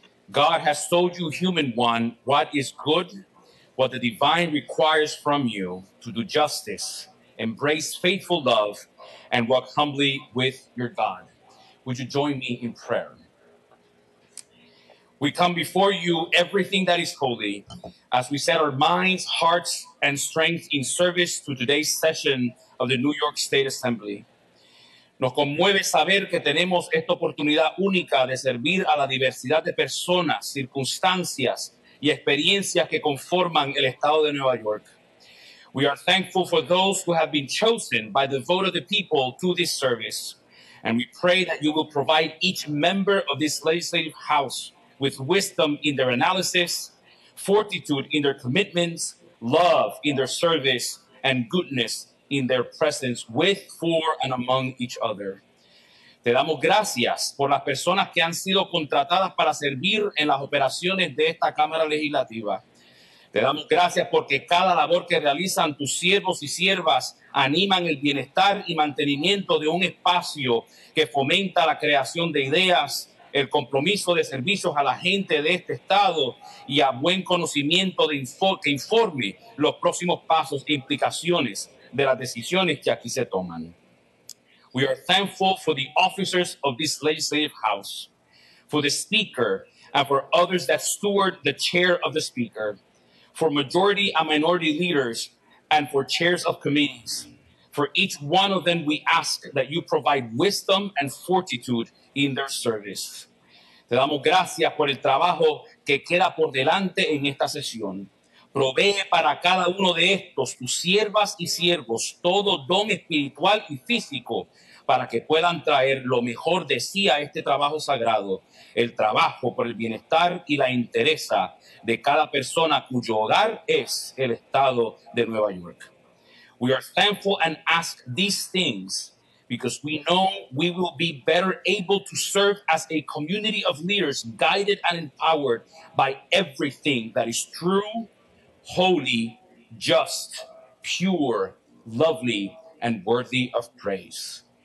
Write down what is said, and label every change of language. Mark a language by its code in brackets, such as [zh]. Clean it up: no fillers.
[en] God has told you, human one, what is good, what the divine requires from you, to do justice, embrace faithful love, and walk humbly with your God. Would you join me in prayer? We come before you, everything that is holy, as we set our minds, hearts, and strength in service to today's session of the New York State Assembly. [es] Nos conmueve saber que tenemos esta oportunidad única de servir a la diversidad de personas, circunstancias, y experiencias que conforman el estado de Nueva York. [en] We are thankful for those who have been chosen by the vote of the people to this service, and we pray that you will provide each member of this legislative house with wisdom in their analysis, fortitude in their commitments, love in their service, and goodness in their presence with, for, and among each other. [es] Te damos gracias por las personas que han sido contratadas para servir en las operaciones de esta Cámara Legislativa. Te damos gracias porque cada labor que realizan tus siervos y siervas animan el bienestar y mantenimiento de un espacio que fomenta la creación de ideas, el compromiso de servicios a la gente de este estado y a buen conocimiento de que informe los próximos pasos e implicaciones de las decisiones que aquí se toman. [en] We are thankful for the officers of this legislative house, for the speaker and for others that steward the chair of the speaker, for majority and minority leaders and for chairs of committees. For each one of them, we ask that you provide wisdom and fortitude in their service. [es] Te damos gracias por el trabajo que queda por delante en esta sesión. Provee para cada uno de estos, tus siervas y siervos, todo don espiritual y físico para que puedan traer lo mejor de sí a este trabajo sagrado, el trabajo por el bienestar y la interesa de cada persona cuyo hogar es el estado de Nueva York. [en] We are thankful and ask these things because we know we will be better able to serve as a community of leaders guided and empowered by everything that is true, holy, just, pure, lovely, and worthy of praise.